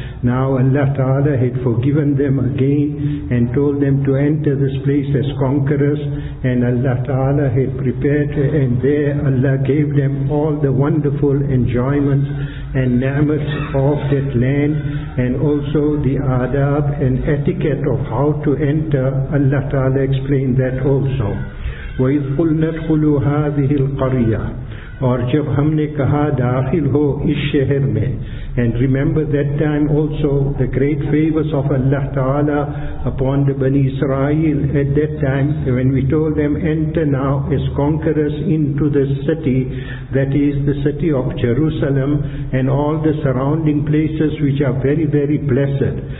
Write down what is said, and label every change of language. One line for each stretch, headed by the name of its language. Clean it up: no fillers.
English: Now Allah Ta'ala had forgiven them again and told them to enter this place as conquerors, and Allah Ta'ala had prepared, and there Allah gave them all the wonderful enjoyments and ni'mat of that land, and also the adab and etiquette of how to enter. Allah Ta'ala explained that also.
Arabic: وَإِذْ قُلْنَا ادْخُلُوا هَذِهِ الْقَرْيَةَ,
Urdu: اور جب ہم نے کہا داخل ہو اس شہر میں.
English: And remember that time also the great favors of Allah Ta'ala upon the Bani Israel at that time, when we told them enter now as conquerors into the city, that is the city of Jerusalem, and all the surrounding places which are very, very blessed.